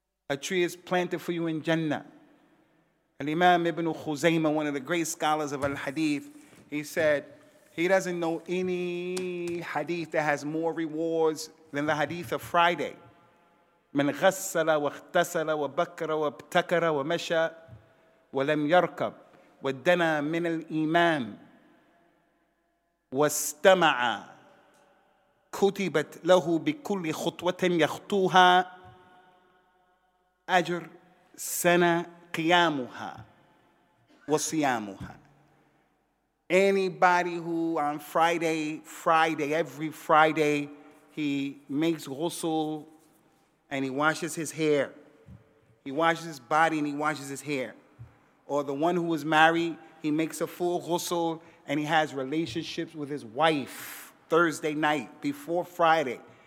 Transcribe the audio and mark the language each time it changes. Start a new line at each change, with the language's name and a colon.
English: A tree is planted for you in Jannah. Al-Imam Ibn Khuzaymah, one of the great scholars of Al-Hadith, he said he doesn't know any hadith that has more rewards than the hadith of Friday.
Arabic: من غسل واغتسل وبكر وابتكر ومشى ولم يركب ودنا من الإمام واستمع كتبت له بكل خطوة يخطوها أجر سنة قيامها وصيامها.
English: Anybody who on Friday, every Friday, he makes ghusl, and he washes his hair. He washes his body and he washes his hair. Or the one who is married, he makes a full ghusl and he has relationships with his wife Thursday night before Friday.